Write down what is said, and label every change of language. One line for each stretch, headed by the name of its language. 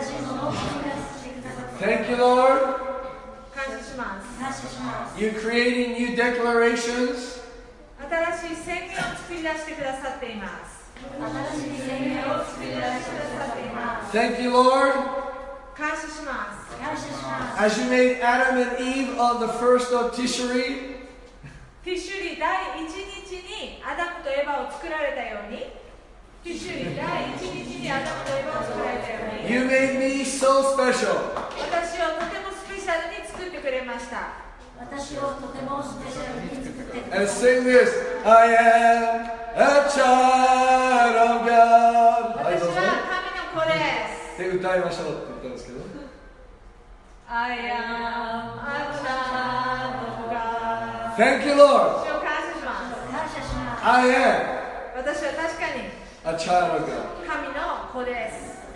Japanese: 新しいものを作り出して
English: Thank you, Lord.
Japanese: 感謝します。感謝します。
English: You're creating new declarations.
Japanese: 新しい宣言を作り出してくださっています。新しい宣言を作り出してくださっています。
English: Thank you, Lord.
Japanese: 感謝します。感謝します。
English: As you made Adam and Eve on the first of Tishri.
Japanese: Tishri 第一日にアダムとエヴァを作られたように。
English: You made me so special.
Japanese: 私をとてもスペシャルに作ってくれました。
English: And sing this, I am a child of God.
Japanese: 私は神の子です。で、歌いましょうって言ったんですけど。
English: I am a child of God. Thank you, Lord.
Japanese: 私を感謝します。感謝します。
English: I am.
Japanese: 私は確かに。
English: A child of God.
Japanese: 神の子です。